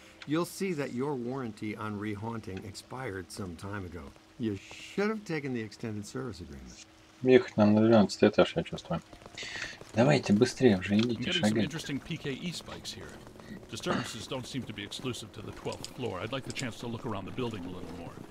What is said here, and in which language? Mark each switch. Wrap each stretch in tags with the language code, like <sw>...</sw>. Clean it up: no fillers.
<en>You'll see that your warranty on rehaunting expired some time ago. You should have taken the extended service agreement.</en> <ru>Ехать нам на 12 этаж, я чувствую. Давайте быстрее уже, идите, шагайте.</ru> <en>Getting some interesting PKE spikes here. Disturbances don't seem to be exclusive to the 12th floor. I'd like the chance to look around the building a little more.</en>